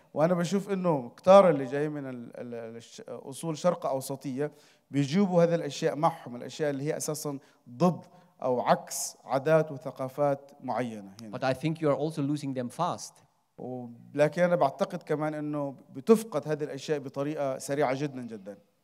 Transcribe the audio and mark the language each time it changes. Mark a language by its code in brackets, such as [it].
[ar] وأنا بشوف إنه كتار اللي جاي من أصول شرق أوسطية بيجيبوا هذه الأشياء معهم الأشياء اللي هي أساساً ضد أو عكس عادات وثقافات معينة. [en] But I think you are also losing them fast. [ar] ولكن أنا بعتقد كمان إنه بتفقد هذه الأشياء بطريقة سريعة جداً جداً.